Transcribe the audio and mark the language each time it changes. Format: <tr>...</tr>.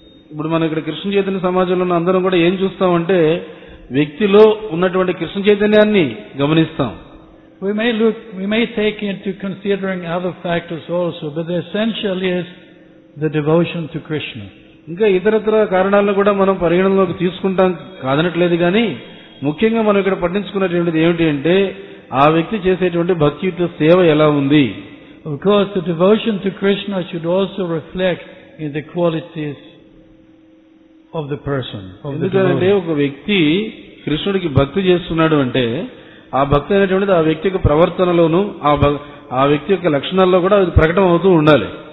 <te>ఇప్పుడు మనం ఇక్కడ కృష్ణ చైతన్య సమాజంలో ఉన్న అందరం కూడా ఏం చూస్తామంటే వ్యక్తిలో ఉన్నటువంటి కృష్ణ చైతన్యాన్ని గమనిస్తాం.</te> <en>We may take into considering other factors also, but the essential is the devotion to Krishna.</en> <te>ఇంకా ఇతరత్ర కారణాలను కూడా మనం పరిగణనలోకి తీసుకుంటాం కాదనట్లేదు, కానీ ముఖ్యంగా మనం ఇక్కడ పట్టించుకున్నటువంటిది ఏమిటి అంటే ఆ వ్యక్తి చేసేటువంటి భక్తి యుక్త సేవ ఎలా ఉంది.</te> <en>Of course, the devotion to Krishna should also reflect in the qualities of the person.</en> <te>ఎందుకంటే ఒక వ్యక్తి కృష్ణుడికి భక్తి చేస్తున్నాడు అంటే ఆ భక్తి అనేటువంటిది ఆ వ్యక్తి యొక్క ప్రవర్తనలోనూ ఆ వ్యక్తి యొక్క లక్షణాల్లో కూడా అది ప్రకటన అవుతూ ఉండాలి.</te>